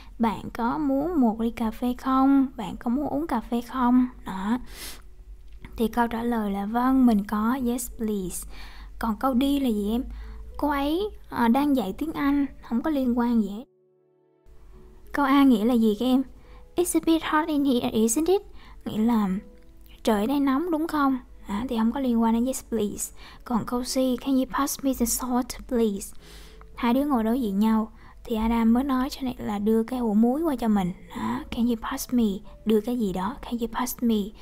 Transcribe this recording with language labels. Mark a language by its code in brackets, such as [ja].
[vi] Bạn có muốn một ly cà phê không? Bạn có muốn uống cà phê không? Đó. Thì câu trả lời là vâng, mình có, [en] yes please. [vi] Còn câu D là gì em? Cô ấy đang dạy tiếng Anh, không có liên quan gì hết. Câu A nghĩa là gì các em? [en] It's a bit hot in here, isn't it? [vi] Nghĩa là trời ở đây nóng đúng không? À, thì không có liên quan đến [en] yes please. [vi] Còn câu C, [en] can you pass me the salt please? [vi] Hai đứa ngồi đối diện nhau, thì Adam mới nói cho này là đưa cái ổ muối qua cho mình. [en] À, can you pass me? [vi] Đưa cái gì đó, [en] can you pass me?